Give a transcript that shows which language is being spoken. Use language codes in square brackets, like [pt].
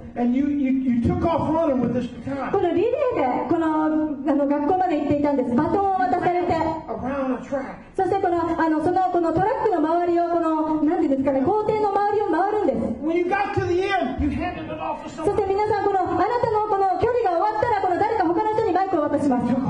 [en] And you took off running with this baton. [ja] このリレーでこの学校まで行っていたんです。バトンを渡されて。 [en] Around the track. [ja] そしてこのトラックの周りをこの何でですかね、校庭の周りを回るんです。 [en] When you got to the end, you handed it off to someone. [ja] そして皆さんこのあなたのこの距離が終わったらこの誰か他の人にバイクを渡します。